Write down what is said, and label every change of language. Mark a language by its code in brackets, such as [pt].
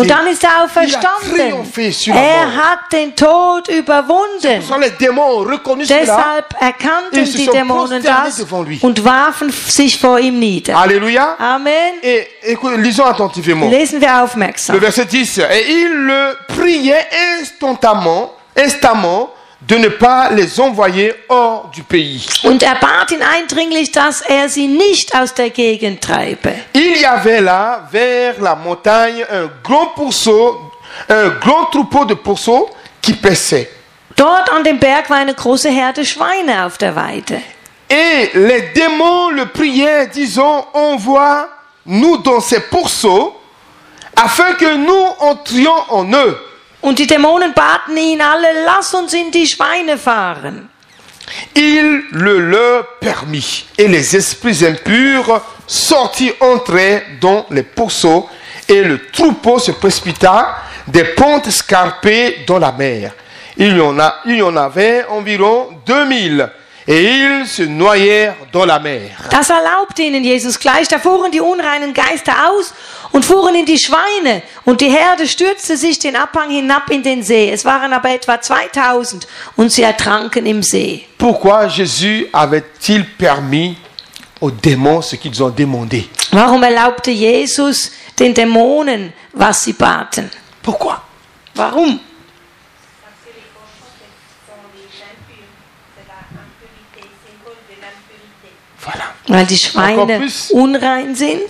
[de] Und dann ist er auferstanden. Er hat den Tod überwunden. Deshalb erkannten die Dämonen das und warfen sich vor ihm nieder. [fr] Alléluia. Amen. Lisons attentivement. [de] Lesen wir aufmerksam. [fr] Le verset 10. Et il le priait instamment de ne pas les envoyer hors du pays. [de] Und er bat ihn eindringlich, dass er sie nicht aus der Gegend treibe. [fr] Il y avait là, vers la montagne, un grand troupeau de pourceaux qui paissait. [de] Dort an dem Berg war eine große Herde Schweine auf der Weide. [fr] Et les démons le priaient, disant, envoie-nous dans ces pourceaux, afin que nous entrions en eux. [de] Und die Dämonen baten ihn alle, lass uns in die Schweine fahren. [fr] Il le leur permit, et les esprits impurs sortis entrèrent dans les pourceaux, et le troupeau se précipita des pentes escarpées dans la mer. Il y en avait environ 2000. Et ils se noyèrent dans la mer. [de] Das erlaubte ihnen Jesus gleich. Da fuhren die unreinen Geister aus und fuhren in die Schweine. Und die Herde stürzte sich den Abhang hinab in den See. Es waren aber etwa 2000 und sie ertranken im See. [fr] Pourquoi Jésus avait-il permis aux démons ce qu'ils ont demandé? [de] Warum erlaubte Jesus den Dämonen, was sie baten? [fr] Pourquoi? [de] Warum? Weil die Schweine unrein sind.